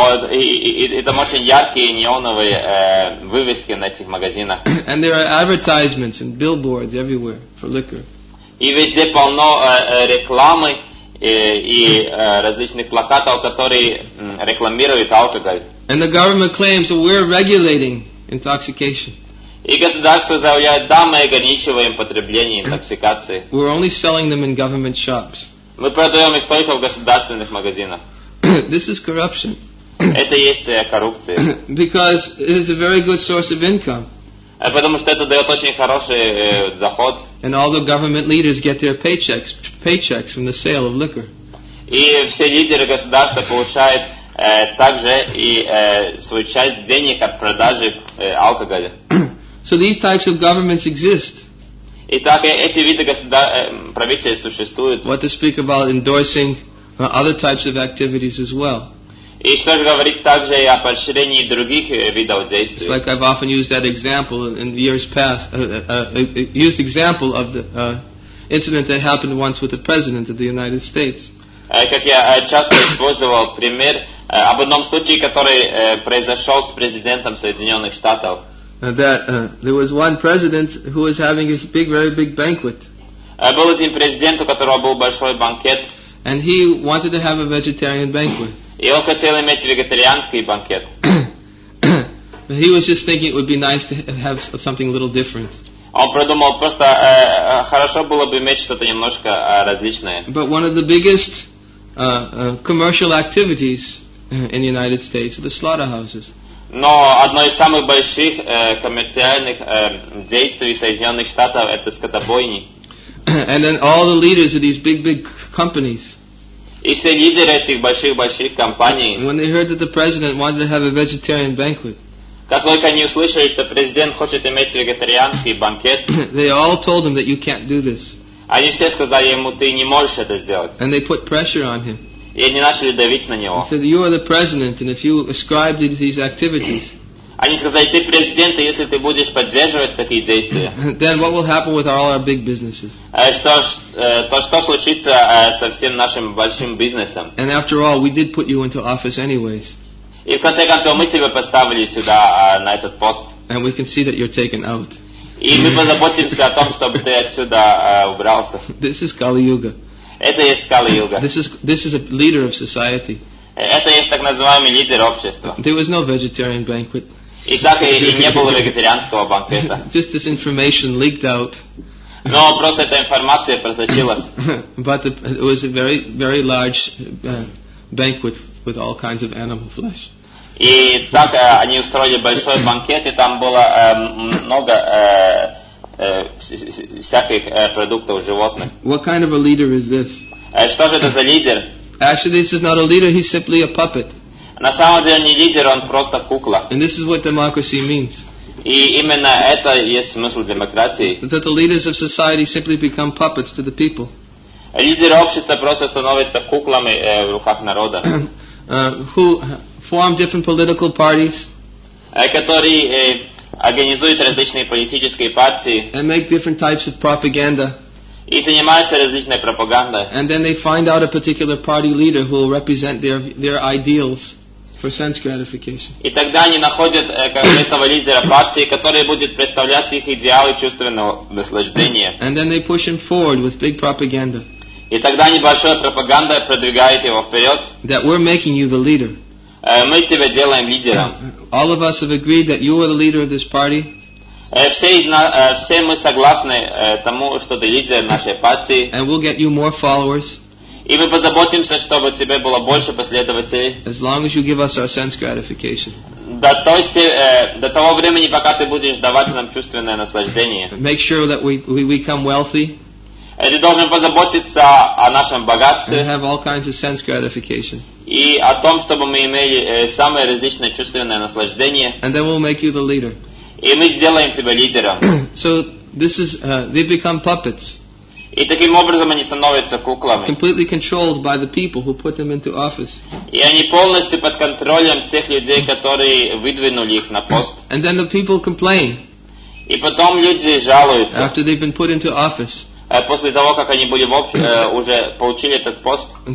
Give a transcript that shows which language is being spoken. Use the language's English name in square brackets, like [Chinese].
[Russian] И там очень яркие неоновые вывески на этих магазинах. [English] And there are advertisements and billboards everywhere for liquor. [Russian] И везде полно рекламы и различных плакатов, которые рекламируют алкоголь. [English] And the government claims that we're regulating intoxication. [Russian] И государство заявляет, да, мы ограничиваем потребление интоксикации. [English] We're only selling them in government shops. [Russian] Мы продаем их только в государственных магазинах. [English] This is corruption. [Russian] Это есть коррупция. [English] Because it is a very good source of income. [Russian] Потому что это дает очень хороший доход. [English] And all the government leaders get their paychecks from the sale of liquor. [Russian] И все лидеры государства получают также и свою часть денег от продажи алкоголя. [English] So these types of governments exist. [Russian] Итак, эти виды правительств существуют. [English] What to speak about endorsing other types of activities as well. [Russian] И что же говорить также и о поощрении других видов действий. [English] It's like I've often used that example in years past, used example of the incident that happened once with the President of the United States. [Russian] Как я часто использовал пример об одном случае, который произошел с президентом Соединенных Штатов. [English] that there was one president who was having a big, very big banquet. [Russian] Был один президент, у которого был большой банкет. [English] And he wanted to have a vegetarian banquet. [Russian] И он хотел иметь вегетарианский банкет. [English] He was just thinking it would be nice to have something a little different. [Russian] Он придумал просто хорошо было бы иметь что-то немножко различное. [English] But one of the biggest commercial activities in the United States are the slaughterhouses. [Russian] Но одно из самых больших коммерциальных действий Соединенных Штатов это скотобойни. [English] And then all the leaders of these big, big companies. [Russian] И все лидеры этих больших, больших компаний. [English] When they heard that the president wanted to have a vegetarian banquet. [Russian] Как только они услышали, что президент хочет иметь вегетарианский банкет. [English] They all told him that you can't do this. [Russian] Они все сказали ему, ты не можешь это сделать. [English] And they put pressure on him. [Russian] И они начали давить на него. [English] He said, you are the president, and if you ascribe to these activities. [Russian] Они сказали, ты президент, и если ты будешь поддерживать такие действия. [English] Then what will happen with all our big businesses? [Russian] Что случится со всем нашим большим бизнесом? [English] And after all, we did put you into office anyways. [Russian] И в конце концов мы тебя поставили сюда на этот пост. [English] And we can see that you're taken out. [Russian] И мы позаботимся о том, чтобы ты отсюда убрался. [English] This is Kali-Yuga. [Russian] Это есть Kali-Yuga. [English] This is a leader of society. [Russian] Это есть так называемый лидер общества. [English] There was no vegetarian banquet. [Russian] И так и не было вегетарианского банкета. [English] Just this information leaked out. [Russian] Но просто эта информация просочилась. [English] But it was a very, very large banquet with all kinds of animal flesh. [Russian] И так они устроили большой банкет, и там было много всяких продуктов животных. [English] What kind of a leader is this? [Russian] Что же это за лидер? [English] Actually, this is not a leader, he's simply a puppet. [Russian] На самом деле не лидер, он просто кукла. [English] And this is what democracy means. [Russian] И именно это есть смысл демократии. [English] That the leaders of society simply become puppets to the people. [Russian] Лидеры общества просто становятся куклами в руках народа. [English] Who form different political parties. [Russian] Которые организуют различные политические партии. [English] And make different types of propaganda. [Russian] И занимаются различной пропагандой. [English] And then they find out a particular party leader who will represent their ideals for sense gratification. [Russian] И тогда они находят этого лидера партии, который будет представлять их идеалы чувственного наслаждения. [English] And then they push him forward with big propaganda. [Russian] И тогда небольшая пропаганда продвигает его вперед. [English] That we're making you the leader. [Russian] Мы тебя делаем лидером. [English] All of us have agreed that you are the leader of this party. [Russian] Все мы согласны тому, что ты лидер нашей партии. [English] And we'll get you more followers. [Russian] И мы позаботимся, чтобы тебе было больше последователей. [English] As long as you give us our sense gratification. [Russian] До того времени, пока ты будешь давать нам чувственное наслаждение. [English] Make sure that we become wealthy. [Russian] Ты должен позаботиться о нашем богатстве. [English] And have all kinds of sense gratification. [Russian] И о том, чтобы мы имели самое различное чувственное наслаждение. [English] And then we'll make you the leader. [Russian] И мы сделаем тебя лидером. [English] So this is they become puppets. [Russian] И таким образом они становятся куклами. [English] Completely controlled by the people who put them into office. [Russian] И они полностью под контролем тех людей, которые выдвинули их на пост. [English] And then the people complain. [Russian] И потом люди жалуются. [English] After they've been put into office. [Russian] После того, как они были уже получили этот пост.